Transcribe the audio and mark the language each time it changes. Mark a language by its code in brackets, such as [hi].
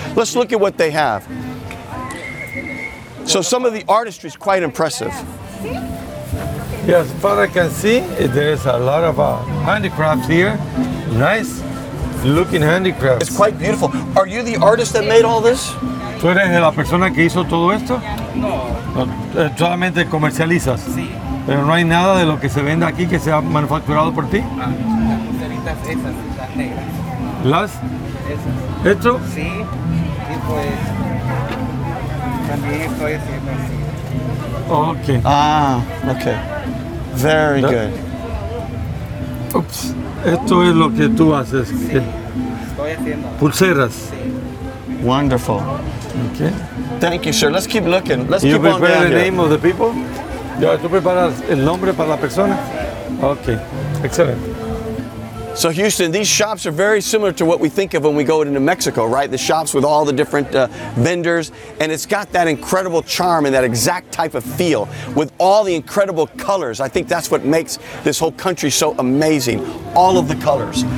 [en] Let's look at what they have. So some of the artistry is quite impressive. Yes, Father, I can see there's a lot of handicrafts here. Nice looking handicrafts. It's quite beautiful. Are you the artist that made all this? [es] ¿Tú eres la persona que hizo todo esto? No. Solamente comercializas. Sí. Pero no hay nada de lo que se vende aquí que sea manufacturado por ti. Las pulseritas esas, las negras. ¿Las? Esas. ¿Esto? Sí. Y pues, también estoy haciendo así. [en] Okay. Ah, okay. Very good. [es] Oops. Esto es lo que tú haces. Sí. Estoy haciendo. Pulseras. Sí. [en] Wonderful. Okay. Thank you, sir. Let's keep looking. Let's you keep on going. You prepare the name here. Of the people? [es] Yeah, tú preparas el nombre para la persona? [en] Okay. Excellent. So Houston, these shops are very similar to what we think of when we go into Mexico, right? The shops with all the different vendors, and it's got that incredible charm and that exact type of feel with all the incredible colors. I think that's what makes this whole country so amazing, all of the colors.